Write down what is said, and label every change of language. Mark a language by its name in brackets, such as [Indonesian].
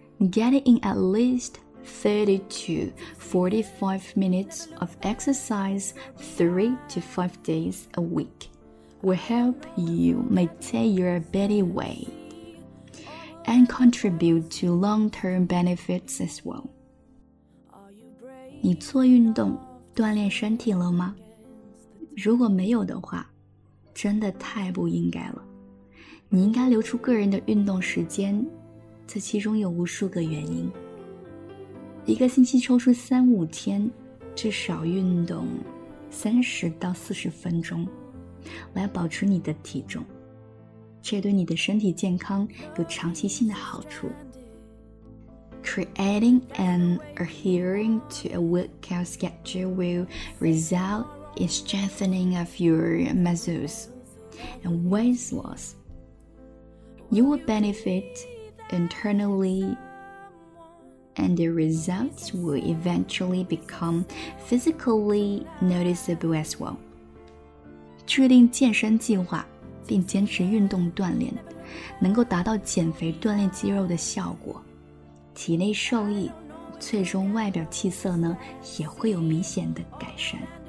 [English] Getting at least 30 to 45 minutes of exercise 3 to 5 days a week. Will help you maintain your body weight and contribute to long-term benefits as well. [Chinese] 你做运动锻炼身体了吗？如果没有的话，真的太不应该了。你应该留出个人的运动时间，这其中有无数个原因。一个星期抽出3-5天，至少运动30到40分钟。来保持你的体重，这对你的身体健康有长期性的好处。 [English] Creating and adhering to a workout schedule will result in strengthening of your muscles and weight loss. You will benefit internally and the results will eventually become physically noticeable as well. [Chinese] 制定健身计划并坚持运动锻炼，能够达到减肥锻炼肌肉的效果，体内受益，最终外表气色呢也会有明显的改善。